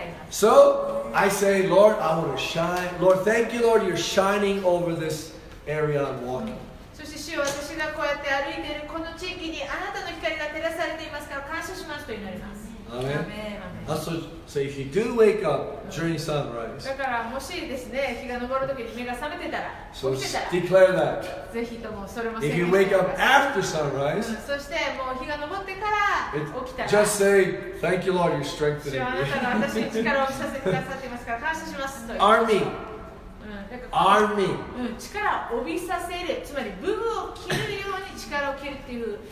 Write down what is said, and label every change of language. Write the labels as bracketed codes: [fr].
[en] So, I say, Lord, I want to shine. Lord, thank you, Lord, you're shining over this area I'm walking. [ja] そして主よ、私がこうやって歩いているこの地域にあなたの光が照らされていますから感謝しますと祈ります。 [en] Amen. Also, so if you do wake up during sunrise, [ja] だからもしですね、日が昇るときに目が覚めてたら、 [en] so declare that. [ja] ぜひともそれも。 [en] If you wake up after sunrise, [ja] そしてもう日が昇ってから起きたら、 [en] just say thank you, Lord, you strengthening me. [ja] あなたが私に力をさせてくださっていますから感謝しますと。 [en] Army. Army. [ja] 力を帯びさせる、つまり武具を切るように。